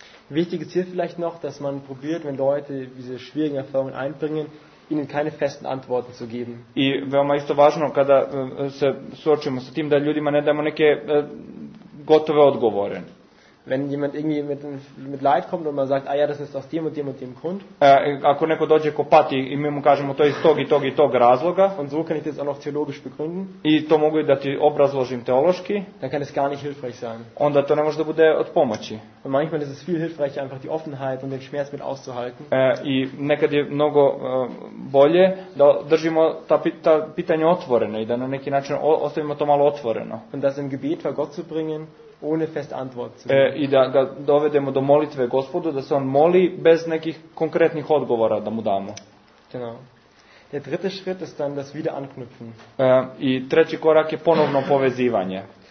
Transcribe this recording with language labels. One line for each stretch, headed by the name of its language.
German: Wichtiges hier vielleicht noch, dass man probiert, wenn Leute diese schwierigen Erfahrungen einbringen, ihnen keine festen Antworten zu geben.
Serbian: I veoma isto važno kada se suočimo sa tim da ljudima ne dajemo neke gotove odgovore.
German: Wenn jemand irgendwie mit Leid kommt und man sagt, ah ja, das ist aus dem und dem und dem Grund.
Serbian: Ako neko dođe ko pati i mi mu kažemo to je iz tog i tog i tog razloga.
German: Und so kann ich das auch noch theologisch begründen.
Serbian: I to mogu da ti obrazložim teološki.
German: Dann kann es gar nicht hilfreich sein.
Serbian: Onda to ne može da bude od pomoći.
German: Und manchmal ist es viel hilfreicher, einfach die Offenheit und den Schmerz mit auszuhalten.
Serbian: I nekad je mnogo bolje da držimo ta pitanja otvorena i da na neki način ostavimo to malo otvoreno.
German: Und das im Gebet vor Gott zu bringen. Ohne feste Antwort zu
Serbian: I da ga dovedemo do molitve Gospodu, da se on moli bez nekih konkretnih odgovora da mu damo.
German: Genau. Der dritte Schritt ist dann das Wiederanknüpfen.
Serbian: I treći korak je ponovno povezivanje.